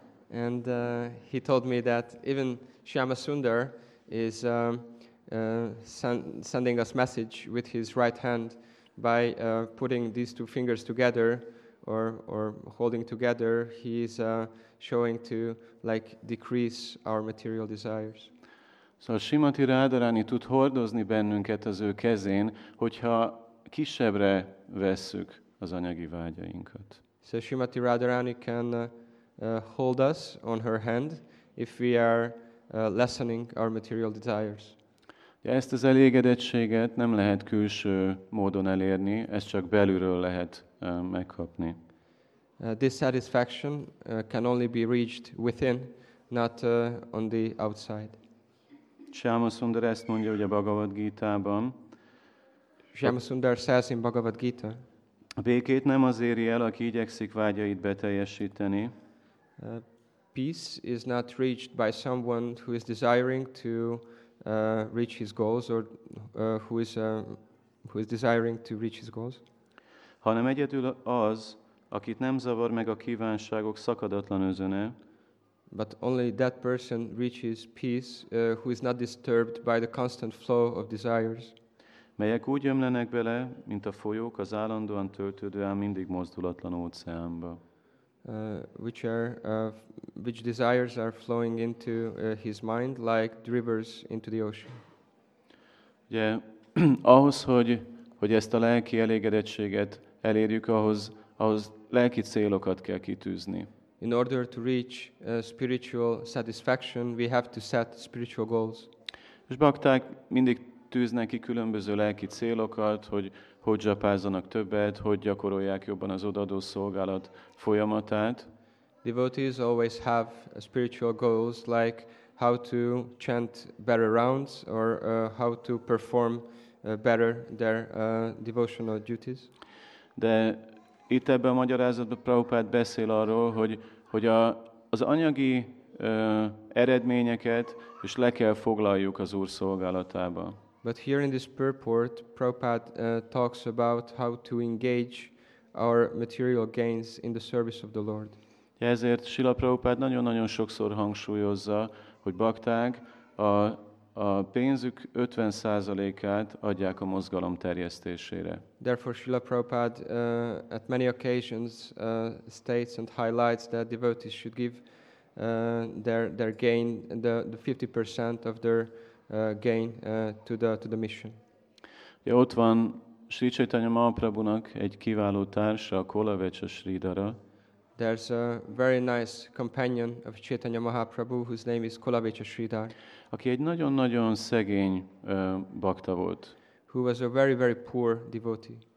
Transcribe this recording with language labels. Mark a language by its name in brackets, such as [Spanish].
[English] And he told me that even Shyamasundar is sending us message with his right hand by putting these two fingers together or holding together. He is showing to like decrease our material desires. [Hungarian] So Srimati Rádaráni tud hordozni bennünket az ő kezén, hogyha kisebbre vesszük az anyagi vágyainkat. [English] So Srimati Rádaráni can hold us on her hand if we are lessening our material desires. [Hungarian] De ezt az elégedettséget nem lehet külső módon elérni, ezt csak belülről lehet megkapni. [English] This satisfaction can only be reached within, not on the outside. [Hungarian] Shyamasundar ezt mondja, hogy a Bhagavad Gita-ban. [English] Shyamasundar says in Bhagavad Gita. [Hungarian] A békét nem az éri el, aki igyekszik vágyait beteljesíteni. [English] Peace is not reached by someone who is desiring to reach his goals or who is desiring to reach his goals. [Hungarian] Hanem egyedül az, akit nem zavar meg a kívánságok szakadatlan özöne. [English] But only that person reaches peace who is not disturbed by the constant flow of desires. [Hungarian] Melyek úgy ömlenek bele, mint a folyók az állandóan töltődő, ám mindig mozdulatlan óceánba. [English] Which desires are flowing into his mind like the rivers into the ocean. [Hungarian] Ugye, ahhoz, hogy ezt a lelki elégedettséget elérjük, ahhoz lelki célokat kell kitűzni. [English] In order to reach spiritual satisfaction, we have to set spiritual goals. [Hungarian] És bakták mindig tűznek ki különböző lelki célokat, hogy zsapázzanak többet, hogy gyakorolják jobban az odaadó szolgálat folyamatát. [English] Devotees always have spiritual goals like how to chant better rounds or how to perform better their devotional duties. [Hungarian] De itt ebben a magyarázatban Prabhupád beszél arról, hogy az anyagi eredményeket is le kell foglaljuk az Úr szolgálatába. [English] But here in this purport, Prabhupád talks about how to engage our material gains in the service of the Lord. [Hungarian] Ezért Srila Prabhupád nagyon-nagyon sokszor hangsúlyozza, hogy bakták a pénzük 50%-át adják a mozgalom terjesztésére. [English] Therefore, Srila Prabhupada at many occasions states and highlights that devotees should give their gain, the 50% of their gain to the mission. [Hungarian] Ja, ott van Sri Chaitanya Mahaprabhunak egy kiváló társa, a Kolavecsa Sridhara. [English] There's a very nice companion of Chaitanya Mahaprabhu whose name is Kolavecsa Sridhar. [Hungarian] Aki egy nagyon-nagyon szegény bakta volt. [English] Who was a very very poor devotee.